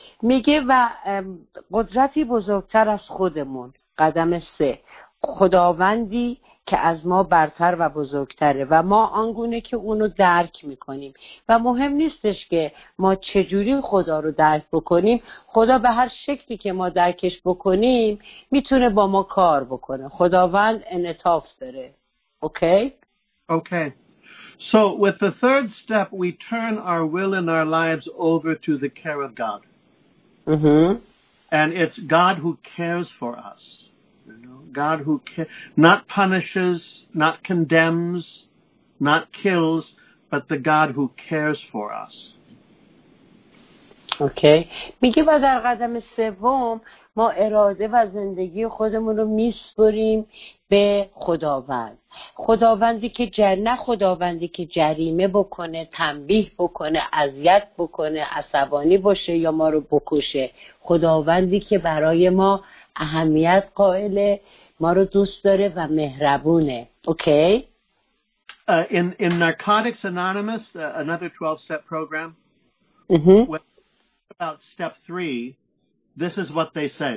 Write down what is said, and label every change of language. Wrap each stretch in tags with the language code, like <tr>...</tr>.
<fa>میگه و قدرتی بزرگتر از خودمون، قدم سه، خداوندی که از ما برتر و بزرگتره و ما آنگونه که اونو درک میکنیم. و مهم نیستش که ما چجوری خدا رو درک بکنیم، خدا به هر شکلی که ما درکش بکنیم میتونه با ما کار بکنه. خداوند انعطاف داره. اوکی؟</fa> <en>So with the third step, we turn our will and our lives over to the care of God. And it's God who cares for us. You know, God who not punishes, not condemns, not kills, but the God who cares for us. Okay.</en> <fa>میگه و در قدم سوم ما اراده و زندگی خودمون رو میسپریم به خداوند. خداوندی که جنه، خداوندی که جریمه بکنه، تنبیه بکنه، اذیت بکنه، عصبانی باشه یا ما رو بکشه. خداوندی که برای ما اهمیت قائله، ما رو دوست داره و مهربونه.</fa> <en>Okay? In Narcotics Anonymous, another 12-step program, about step three, this is what they say.</en>